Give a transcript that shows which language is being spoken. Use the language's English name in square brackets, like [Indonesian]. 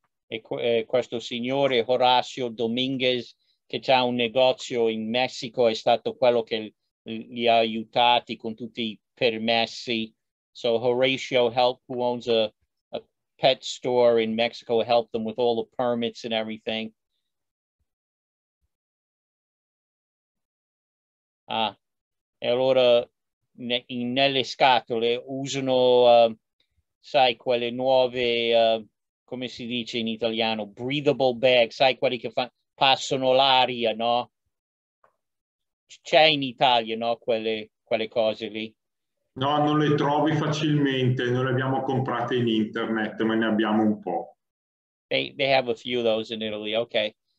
[Italian] E questo signore Horacio Dominguez, che c'ha un negozio in Messico, è stato quello che li ha aiutati con tutti i permessi. [English] So Horacio helped, who owns a pet store in Mexico, helped them with all the permits and everything. [Italian] Ah, e allora nelle scatole usano, sai, quelle nuove, come si dice in italiano, [English] breathable bag, [Italian] sai quelli che fanno... passano l'aria, no? C'è in Italia, no? Quelle cose lì. No, non le trovi facilmente. Non le abbiamo comprate in internet, ma ne abbiamo un po'. [English] They have a few of those in Italy, ok.